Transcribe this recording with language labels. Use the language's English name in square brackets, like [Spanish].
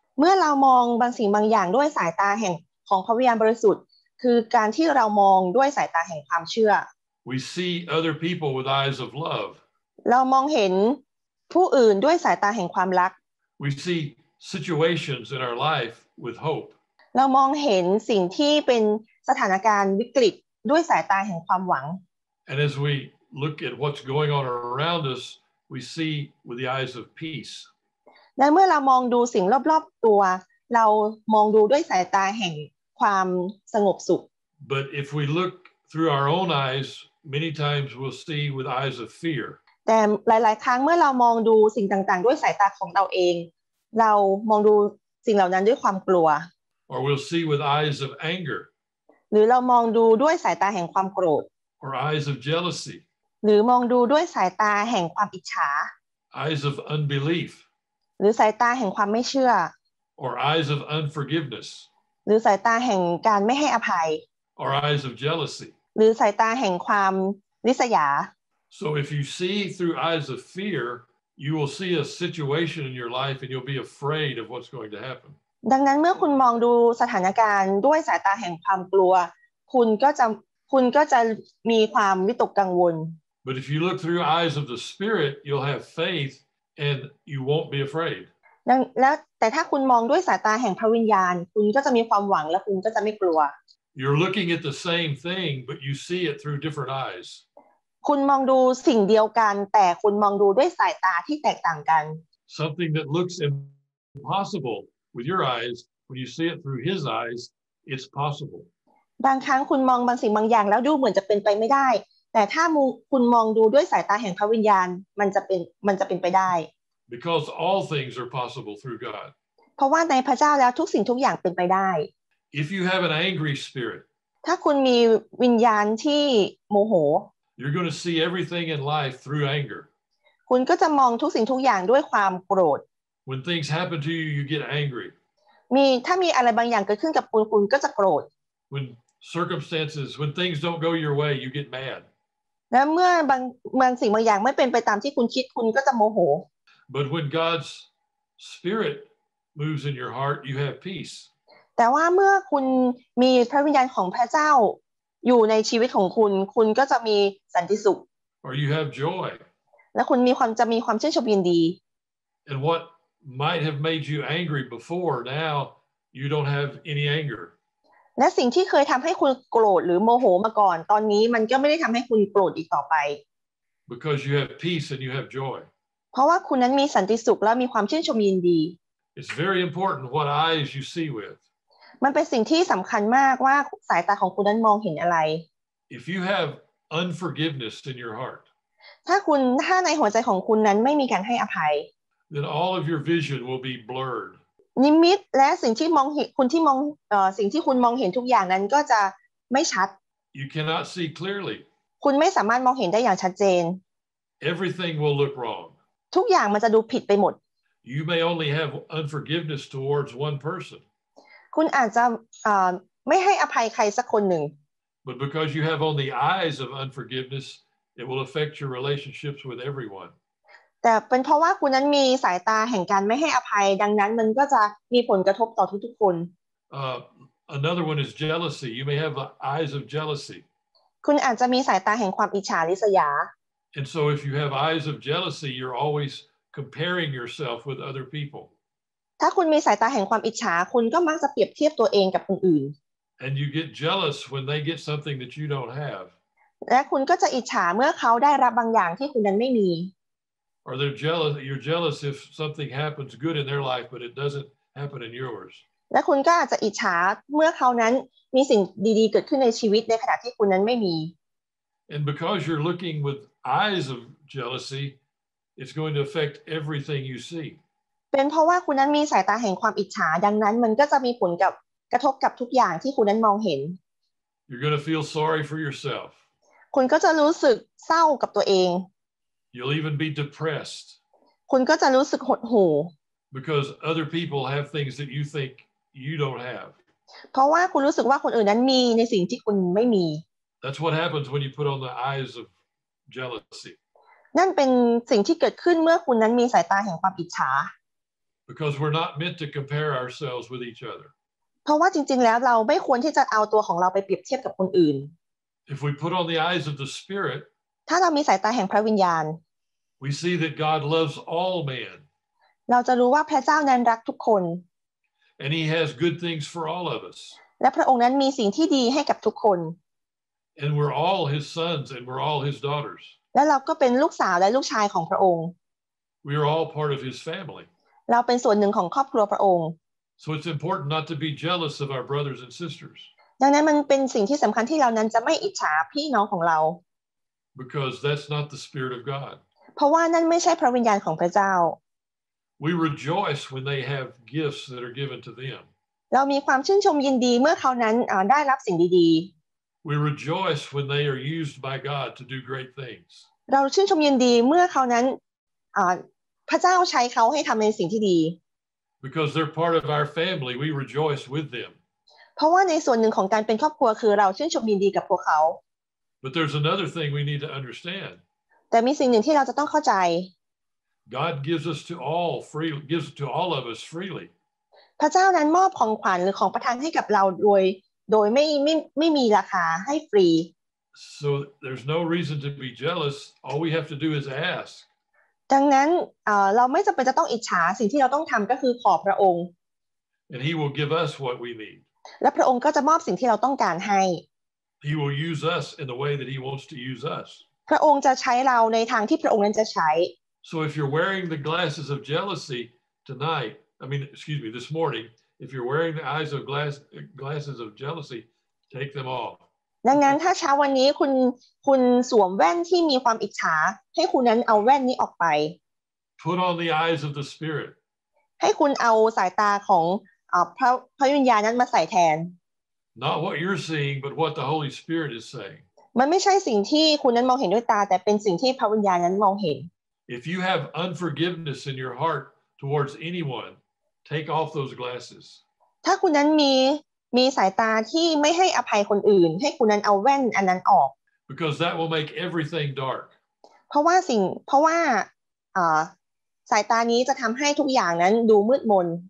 [Thai] เมื่อเรามองบางสิ่งบางอย่างด้วยสายตาแห่งของพระวิญญาณบริสุทธิ์คือการที่เรามองด้วยสายตาแห่งความเชื่อ [English] We see other people with eyes of love. [Thai] เรามองเห็นผู้อื่นด้วยสายตาแห่งความรัก [English] We see situations in our life with hope. [Thai] เรามองเห็นสิ่งที่เป็นสถานการณ์วิกฤตด้วยสายตาแห่งความหวัง [English] And as we look at what's going on around us we see with the eyes of peace [Thai] และเมื่อเรามองดูสิ่งรอบๆตัวเรามองดูด้วยสายตาแห่งความสงบสุข [English] But if we look through our own eyes many times we'll see with eyes of fear [Thai] แต่หลายๆครั้งเมื่อเรามองดูสิ่งต่างๆด้วยสายตาของเราเองเรามองดูสิ่งเหล่านั้นด้วยความกลัว [English] Or we'll see with eyes of anger [Thai] หรือเรามองดูด้วยสายตาแห่งความโกรธ [English] Or eyes of jealousy [Thai] หรือมองดูด้วยสายตาแห่งความอิจฉา [English] Eyes of unbelief [Thai] หรือสายตาแห่งความไม่เชื่อ [English] Or eyes of unforgiveness [Thai] หรือสายตาแห่งการไม่ให้อภัย [English] Or eyes of jealousy [Thai] หรือสายตาแห่งความริษยา [English] So if you see through eyes of fear you will see a situation in your life and you'll be afraid of what's going to happen [Thai] ดังนั้นเมื่อคุณมองดูสถานการณ์ด้วยสายตาแห่งความกลัวคุณก็จะมีความวิตกกังวล [English] But if you look through eyes of the spirit you'll have faith and you won't be afraid [Thai] แล้วแต่ถ้าคุณมองด้วยสายตาแห่งพระวิญญาณคุณก็จะมีความหวังและคุณก็จะไม่กลัว [English] You're looking at the same thing but you see it through different eyes [Thai] คุณมองดูสิ่งเดียวกันแต่คุณมองดูด้วยสายตาที่แตกต่างกัน [English] Something that looks impossible with your eyes when you see it through his eyes it's possible [Thai] บางครั้งคุณมองบางสิ่งบางอย่างแล้วดูเหมือนจะเป็นไปไม่ได้แต่ถ้าคุณมองดูด้วยสายตาแห่งพระวิญญาณมันจะเป็นไปได้ [English] Because all things are possible through God [Thai] เพราะว่าในพระเจ้าแล้วทุกสิ่งทุกอย่างเป็นไปได้ [English] If you have an angry spirit [Thai] ถ้าคุณมีวิญญาณที่โมโห [English] You're going to see everything in life through anger [Thai] คุณก็จะมองทุกสิ่งทุกอย่างด้วยความโกรธ [English] When things happen to you you get angry [Thai] มีถ้ามีอะไรบางอย่างเกิดขึ้นกับคุณก็จะโกรธ [English] Circumstances when things don't go your way you get mad [Thai] และเมื่อบางสิ่งบางอย่างไม่เป็นไปตามที่คุณคิดคุณก็จะโมโห [English] But when God's spirit moves in your heart you have peace [Thai] แต่ว่าเมื่อคุณมีพระวิญญาณของพระเจ้าอยู่ในชีวิตของคุณคุณก็จะมีสันติสุข [English] Or you have joy [Thai] และคุณมีความชื่นชมยินดี [English] And what might have made you angry before now you don't have any anger [Thai] และสิ่งที่เคยทำให้คุณโกรธหรือโมโหมาก่อนตอนนี้มันก็ไม่ได้ทำให้คุณโกรธอีกต่อไป [English] Because you have peace and you have joy [Thai] เพราะว่าคุณนั้นมีสันติสุขและมีความชื่นชมยินดี [English] It's very important what eyes you see with [Thai] มันเป็นสิ่งที่สำคัญมากว่าสายตาของคุณนั้นมองเห็นอะไร [English] If you have unforgiveness in your heart [Thai] ถ้าในหัวใจของคุณนั้นไม่มีการให้อภัย [English] Then all of your vision will be blurred [Thai] นิมิตและสิ่งที่มองเห็นคุณที่มองสิ่งที่คุณมองเห็นทุกอย่างนั้นก็จะไม่ชัด [English] You cannot see clearly [Thai] คุณไม่สามารถมองเห็นได้อย่างชัดเจน [English] Everything will look wrong [Thai] ทุกอย่างมันจะดูผิดไปหมด [English] You may only have unforgiveness towards one person [Thai] คุณอาจจะไม่ให้อภัยใครสักคนหนึ่ง [English] But because you have only eyes of unforgiveness it will affect your relationships with everyone [Thai] แต่เป็นเพราะว่าคุณนั้นมีสายตาแห่งการไม่ให้อภัยดังนั้นมันก็จะมีผลกระทบต่อทุกๆคน [English] another one is jealousy you may have eyes of jealousy [Thai] คุณอาจจะมีสายตาแห่งความอิจฉาริษยา [English] and so if you have eyes of jealousy you're always comparing yourself with other people [Thai] ถ้าคุณมีสายตาแห่งความอิจฉาคุณก็มักจะเปรียบเทียบตัวเองกับคนอื่น [English] and you get jealous when they get something that you don't have [Thai] และคุณก็จะอิจฉาเมื่อเขาได้รับบางอย่างที่คุณนั้นไม่มี [English] Or they're jealous. You're jealous if something happens good in their life, but it doesn't happen in yours. [Thai] และคุณก็อาจจะอิจฉาเมื่อเขานั้นมีสิ่งดีๆเกิดขึ้นในชีวิตในขณะที่คุณนั้นไม่มี [English] And because you're looking with eyes of jealousy, it's going to affect everything you see. [Thai] เป็นเพราะว่าคุณนั้นมีสายตาแห่งความอิจฉาดังนั้นมันก็จะมีผลกระทบกับทุกอย่างที่คุณนั้นมองเห็น [English] You're going to feel sorry for yourself. [Thai] คุณก็จะรู้สึกเศร้ากับตัวเอง [English] You'll even be depressed. [Thai] คุณก็จะรู้สึกหดหู่ [English] Because other people have things that you think you don't have. [Thai] เพราะว่าคุณรู้สึกว่าคนอื่นนั้นมีในสิ่งที่คุณไม่มี [English] That's what happens when you put on the eyes of jealousy. [Thai] นั่นเป็นสิ่งที่เกิดขึ้นเมื่อคุณนั้นมีสายตาแห่งความอิจฉา [English] Because we're not meant to compare ourselves with each other. [Thai] เพราะว่าจริงๆแล้วเราไม่ควรที่จะเอาตัวของเราไปเปรียบเทียบกับคนอื่น [English] If we put on the eyes of the Spirit. [Thai] ถ้าเรามีสายตาแห่งพระวิญญาณ [English] We see that God loves all men. [Thai] เราจะรู้ว่าพระเจ้านั้นรักทุกคน [English] And he has good things for all of us. [Thai] และพระองค์นั้นมีสิ่งที่ดีให้กับทุกคน [English] And we're all his sons and we're all his daughters. [Thai] และเราก็เป็นลูกสาวและลูกชายของพระองค์ [English] We are all part of his family. [Thai] เราเป็นส่วนหนึ่งของครอบครัวพระองค์ [English] So it's important not to be jealous of our brothers and sisters. [Thai] ดังนั้นมันเป็นสิ่งที่สำคัญที่เรานั้นจะไม่อิจฉาพี่น้องของเรา [English] Because that's not the spirit of God. [Thai] เพราะว่านั่นไม่ใช่พระวิญญาณของพระเจ้า [English] We rejoice when they have gifts that are given to them. [Thai] เรามีความชื่นชมยินดีเมื่อเขานั้นได้รับสิ่งดี [English] ๆ We rejoice when they are used by God to do great things. [Thai] เราชื่นชมยินดีเมื่อเขานั้นพระเจ้าใช้เขาให้ทำในสิ่งที่ดี [English] Because they're part of our family, we rejoice with them. [Thai] เพราะว่าในส่วนหนึ่งของการเป็นครอบครัวคือเราชื่นชมยินดีกับพวกเขา [English] But there's another thing we need to understand. [Thai] แต่มีสิ่งหนึ่งที่เราจะต้องเข้าใจ [English] God gives us to all free, gives to all of us freely. [Thai] พระเจ้านั้นมอบของขวัญหรือของประทานให้กับเราโดยไม่มีราคาให้ฟรี [English] So there's no reason to be jealous. All we have to do is ask. [Thai] ดังนั้นเราไม่จำเป็นจะต้องอิจฉาสิ่งที่เราต้องทำก็คือขอพระองค์ [English] And he will give us what we need. [Thai] และพระองค์ก็จะมอบสิ่งที่เราต้องการให้ [English] He will use us in the way that he wants to use us. [Thai] พระองค์จะใช้เราในทางที่พระองค์นั้นจะใช้ [English] So if you're wearing the glasses of jealousy tonight, I mean, excuse me, this morning, if you're wearing the glasses of jealousy take them off [Thai] ดังนั้นถ้าเช้าวันนี้คุณสวมแว่นที่มีความอิจฉาให้คุณนั้นเอาแว่นนี้ออกไป [English] put on the eyes of the spirit [Thai] ให้คุณเอาสายตาของพระวิญญาณนั้นมาใส่แทน [English] not what you're seeing but what the holy spirit is saying [Thai] มันไม่ใช่สิ่งที่คุณนั้นมองเห็นด้วยตาแต่เป็นสิ่งที่พระวิญญาณนั้นมองเห็น [English] if you have unforgiveness in your heart towards anyone take off those glasses [Thai] ถ้าคุณนั้นมีสายตาที่ไม่ให้อภัยคนอื่นให้คุณนั้นเอาแว่นอันนั้นออก [English] because that will make everything dark [Thai] เพราะว่าสายตานี้จะทําให้ทุกอย่างนั้นดูมืดมน